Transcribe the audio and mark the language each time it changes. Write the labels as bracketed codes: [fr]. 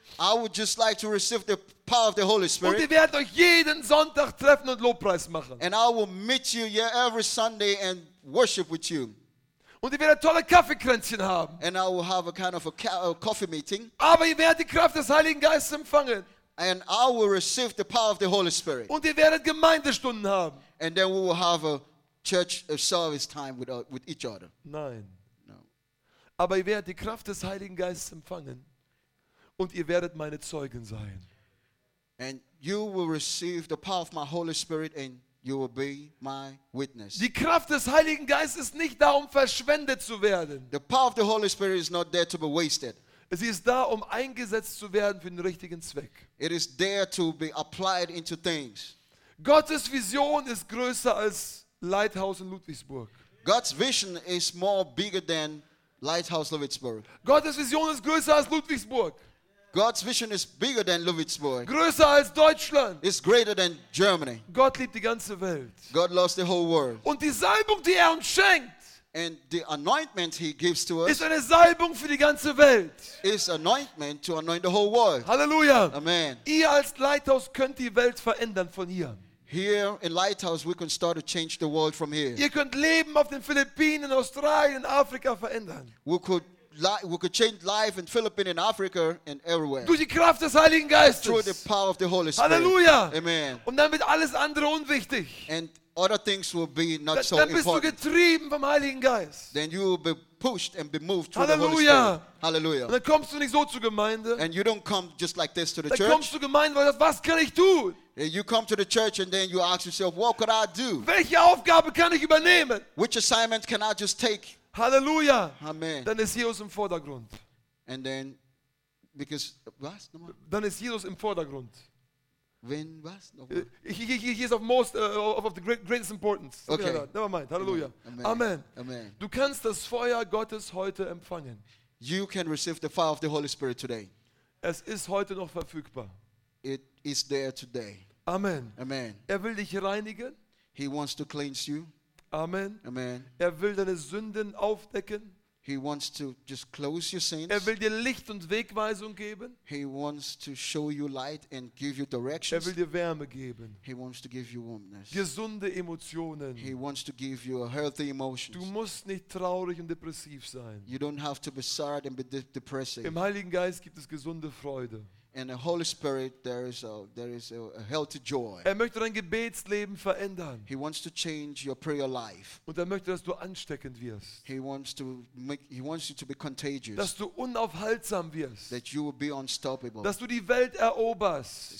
[en] I would just like to receive the power of the Holy Spirit. [de] Und ihr werdet euch jeden Sonntag treffen und Lobpreis machen. [en] And I will meet you here every Sunday and worship with you. [de] Und ihr werdet tolle Kaffeekränzchen haben. [en] And I will have a kind of a coffee meeting. [de] Aber ihr werdet die Kraft des Heiligen Geistes empfangen. [en] And I will receive the power of the Holy Spirit. [de] Und ihr werdet Gemeindestunden haben. [en] And then we will have a church service time with each other. [de] Nein. [en] No. [de] Aber ihr werdet die Kraft des Heiligen Geistes empfangen. Und ihr werdet meine Zeugen sein. [en] And you will receive the power of my Holy Spirit and you will be my witness. [de] Die Kraft des Heiligen Geistes ist nicht da, um verschwendet zu werden. [en] The power of the Holy Spirit is not there to be wasted. [de] Sie ist da, um eingesetzt zu werden für den richtigen Zweck. [en] It is there to be applied into things. [de] Gottes Vision ist größer als Lighthouse in Ludwigsburg. [en] God's vision is more bigger than Lighthouse Ludwigsburg. [de] Gottes Vision ist größer als Ludwigsburg. [en] God's vision is bigger than Ludwigsburg. [de] Größer als Deutschland. [en] It's greater than Germany. [de] Gott liebt die ganze Welt. [en] God loves the whole world. [de] Und die Salbung, die er uns schenkt, [en] and the anointment he gives to us [de] ist eine Salbung für die ganze Welt. [en] Is anointment to anoint the whole world. Hallelujah. Amen. [de] Ihr als Leithaus könnt die Welt verändern von hier. [en] Here in Lighthouse, we can start to change the world from here. [de] Ihr könnt Leben auf den Philippinen, in Australien, in Afrika verändern. [en] We could change life in Philippines, in Africa, and everywhere. [de] Durch die Kraft des Heiligen Geistes. [en] Through the power of the Holy Spirit. Hallelujah. Amen. [de] Und dann wird alles andere unwichtig. [en] And other things will be not so important. [de] Dann bist du getrieben vom Heiligen Geist. [en] Then you will be pushed and be moved through Hallelujah. The Holy Spirit. Hallelujah. [de] Und dann kommst du nicht so zur Gemeinde. [en] And you don't come just like this to the [de] dann [en] church. [de] Dann kommst du zur Gemeinde, weil du sagst, was kann ich tun? [en] You come to the church and then you ask yourself, what could I do? [de] Welche Aufgabe kann ich übernehmen? [en] Which assignment can I just take? Hallelujah. Amen. [de] Dann ist Jesus im Vordergrund. [en] And then, because, was? No more? [de] Dann ist Jesus im Vordergrund. [en] When, was? No more? He is of most, of the greatest importance. Okay. Never mind. Hallelujah. Amen. Amen. Amen. [de] Du kannst das Feuer Gottes heute empfangen. [en] You can receive the fire of the Holy Spirit today. [de] Es ist heute noch verfügbar. [en] It is there today. Amen. Amen. [de] Er will dich reinigen. [en] He wants to cleanse you. Amen. Amen. [de] Er will deine Sünden aufdecken. [en] He wants to just close your sins. [de] Er will dir Licht und Wegweisung geben. [en] He wants to show you light and give you directions. [de] Er will dir Wärme geben. [en] He wants to give you warmness. [de] Gesunde Emotionen. [en] He wants to give you healthy emotions. [de] Du musst nicht traurig und depressiv sein. [en] You don't have to be sad and be depressing. [de] Im Heiligen Geist gibt es gesunde Freude. [en] In the Holy Spirit, there is a healthy joy. [de] Er möchte dein Gebetsleben verändern. [en] He wants to change your prayer life. [de] Und er möchte, dass du ansteckend wirst. [en] He wants you to be contagious. [de] Dass du unaufhaltsam wirst. [en] That you will be unstoppable. [de] Dass du die Welt eroberst.